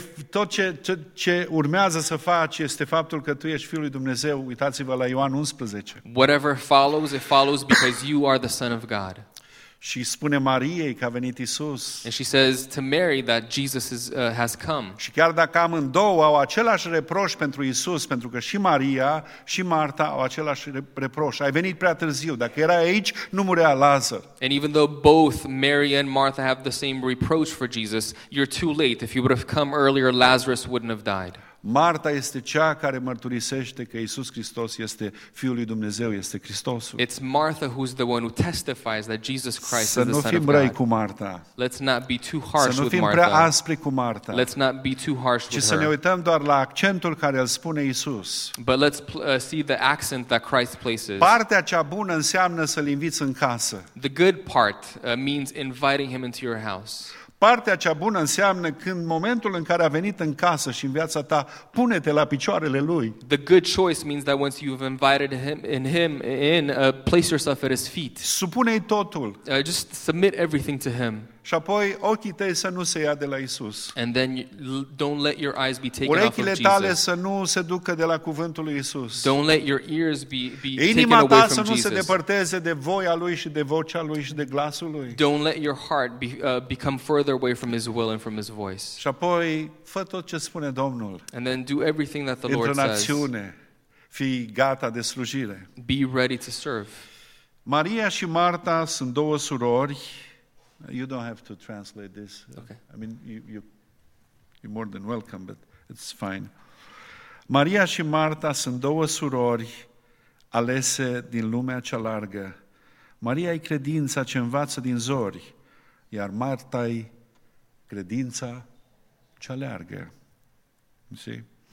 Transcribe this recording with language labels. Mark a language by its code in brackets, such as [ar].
[ro] Tot ce urmează să faci este faptul că tu ești fiul lui Dumnezeu. Uitați-vă la Ioan 11. [en] Whatever follows, it follows because you are the Son of God. [ro] Și spune Mariei că a venit Isus. [en] And she says to Mary that Jesus is, has come. [ro] Și chiar dacă amândouă au același reproș pentru Isus, pentru că și Maria și Marta au același reproș. Ai venit prea târziu. Dacă erai aici, nu murea Lazar. [en] And even though both Mary and Martha have the same reproach for Jesus, you're too late. If you would have come earlier, Lazarus wouldn't have died. [ro] Marta este cea care mărturisește că Iisus Hristos este Fiul lui Dumnezeu, este Hristosul. [en] It's Martha who's the one who testifies that Jesus Christ is the Son of God. [ro] Să nu fim răi cu Marta. [en] Let's not be too harsh with Martha. [ro] Să nu fim prea aspri cu Marta. [en] Let's not be too harsh with her. [ro] Ci să ne uităm doar la accentul care îl spune Iisus. [en] But let's see the accent that Christ places. [ro] Partea cea bună înseamnă să-l inviți în casă. [en] The good part means inviting him into your house. [ro] Partea cea bună înseamnă când momentul în care a venit în casă și în viața ta, pune-te la picioarele lui. [en] The good choice means that once you've invited him in, place yourself at his feet. [ro] Supune-i totul. [en] Just submit everything to him. [ro] Și apoi ochii tăi să nu se ia de la Isus. [en] And then don't let your eyes be taken [ro] Urechile [en] off of Jesus. [ro] Să nu se ducă de la cuvântul lui Isus. [en] Don't let your ears be taken away from Jesus. [ro] Inima ta să nu se depărteze de voia lui și de vocea lui și de glasul lui. [en] Don't let your heart become further away from his will and from his voice. [ro] Și apoi fă tot ce spune Domnul. [en] And then do everything that the Lord says. [ro] Într-națiune, fii gata de slujire. [en] Be ready to serve. [ro] Maria și Marta sunt două surori. [en] You don't have to translate this. Okay. I mean, you're more than welcome, but it's fine. [ro] Maria și Marta sunt două surori alese din lumea cea largă. Maria e credința ce învață din zori, iar Marta e credința cea largă. [en] See?